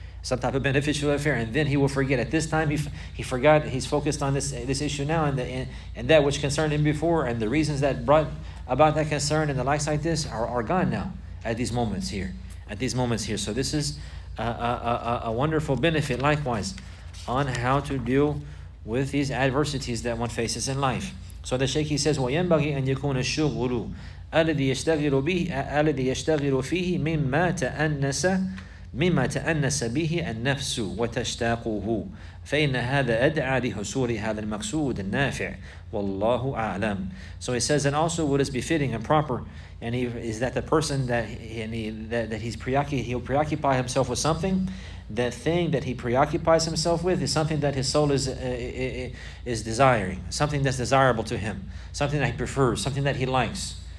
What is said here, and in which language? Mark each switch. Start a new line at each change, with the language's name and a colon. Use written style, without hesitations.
English: And then he will forget. At this time, he forgot, he's focused on this issue now, and that which concerned him before, and the reasons that brought about that concern, and the likes like this, are gone now, at these moments here. So this is a wonderful benefit, likewise, on how to deal with these adversities that one faces in life. So the Shaykh, he says,
Arabic: وَيَنْبَغِي أَنْ يَكُونَ الشُّغُلُ أَلَذِي يَشْتَغِلُ فِيهِ مِمَّا تَأَنَّسَ مما تأنس به النفس وتشتاقه فإن هذا أدعى لحصول هذا المقصود النافع والله أعلم.
English: So he says, and also what is befitting and proper, and he, is that the person that he'll preoccupy himself with something, that thing that he preoccupies himself with is something that his soul is desiring, something that's desirable to him, something that he prefers, something that he likes.